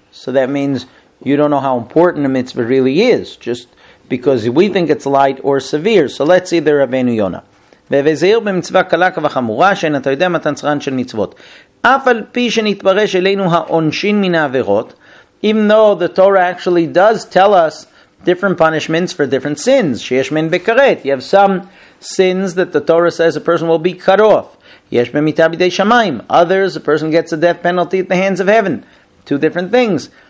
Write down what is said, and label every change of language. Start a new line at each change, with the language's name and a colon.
English: So that means you don't know how important a mitzvah really is, just because we think it's light or severe. So let's see the Rabbeinu Yonah.
Hebrew: וזהיר במצווה קלה כבחמורה שאין אתה יודע מתן צרן של מצוות. אף על פי שנתפרש אלינו העונשין מן העבירות,
English: even though the Torah actually does tell us different punishments for different sins,
Hebrew: שיש מן בקרת.
English: You have some sins that the Torah says a person will be cut off.
Hebrew: יש במיטה בידי שמיים.
English: Others, a person gets a death penalty at the hands of heaven. Two different things.